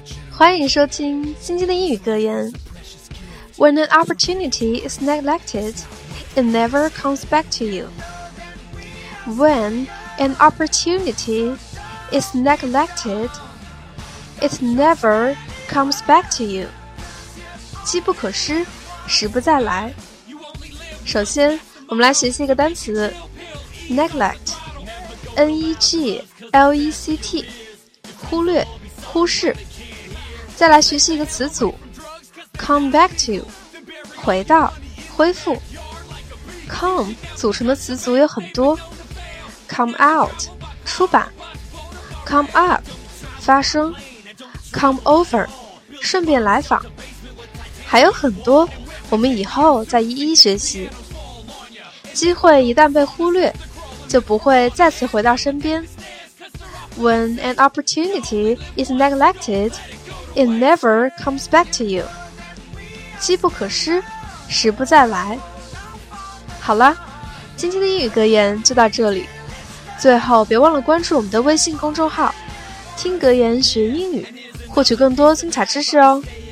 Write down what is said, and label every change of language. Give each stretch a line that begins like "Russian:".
Chinese: 欢迎收听今天的英语格言。
English: When an opportunity is neglected, it never comes back to you. When an opportunity is neglected, it never comes back to you.
Chinese: 机不可失，时不再来。首先，我们来学习一个单词 neglect, N-E-G-L-E-C-T, 忽略，忽视。再来学习一个词组 come back to, 回到，恢复。 come 组成的词组有很多 come out, 出版 come up, 发生 come over, 顺便来访。还有很多，我们以后再一一学习。机会一旦被忽略，就不会再次回到身边。
English: When an opportunity is neglected, it never comes back to you.
Chinese: 机不可失，时不再来。好了，今天的英语格言就到这里。最后，别忘了关注我们的微信公众号，听格言学英语，获取更多精彩知识哦。